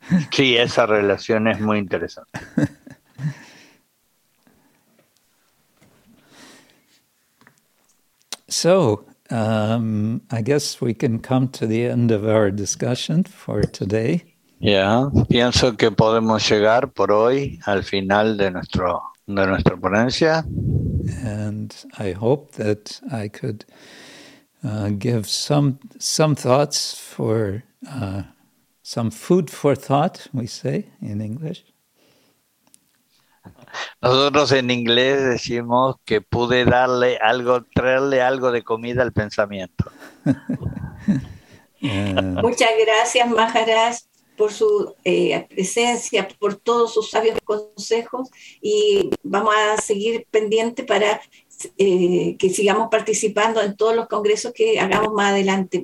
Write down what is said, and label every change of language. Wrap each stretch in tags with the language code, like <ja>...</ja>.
<es>Sí, esa relación es muy interesante.</es> <en>So, I guess we can come to the end of our discussion for today.</en> <es>Yeah, pienso que podemos llegar por hoy al final de nuestra ponencia.</es> <en>And I hope that I could give some thoughts for some food for thought, we say in English.</en> <es>Nosotros en inglés decimos que pude darle algo, traerle algo de comida al pensamiento. Muchas gracias, Maharaj, por su presencia, por todos sus sabios consejos, y vamos a seguir pendiente para que sigamos participando en todos los congresos que hagamos más adelante.</es>